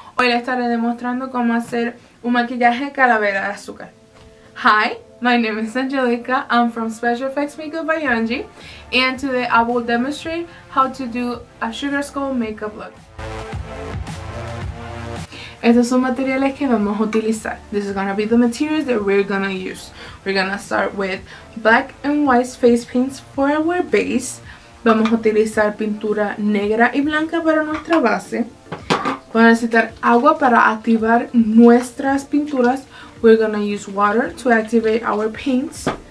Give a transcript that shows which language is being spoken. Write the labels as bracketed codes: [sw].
[es] Hoy les estaré demostrando cómo hacer un maquillaje calavera de azúcar. [en] Hi, my name is Angélica, I'm from Special Effects Makeup by Angie, and today I will demonstrate how to do a sugar skull makeup look. [es] Estos son materiales que vamos a utilizar. [en] This is gonna be the materials that we're gonna use. We're gonna start with black and white face paints for our base. [es] Vamos a utilizar pintura negra y blanca para nuestra base. Vamos a necesitar agua para activar nuestras pinturas. [en] We're gonna use water to activate our paints.